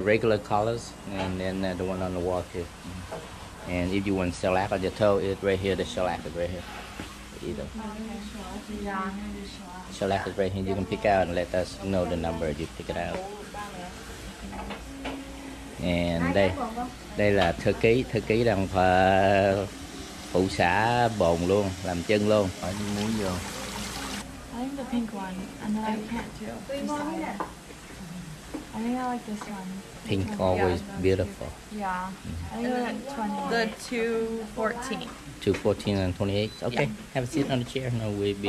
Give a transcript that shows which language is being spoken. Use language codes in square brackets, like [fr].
[en] Regular colors, and then the one on the wall here. And if you want shellac on your toe, it's right here, the shellac is right here. Either. Shellac is right here. You can pick out and let us know the number. You pick it out. [vi] And đây là thư ký đang phụ xả bồn luôn, làm chân luôn. Phải đi muối vô. [en] I like the pink one, and then I can't do this side. I think I like this one. Pink always beautiful. Yeah. I like 20. The 214. 214 and 28. Okay, yeah. Have a seat on the chair, and we'll be.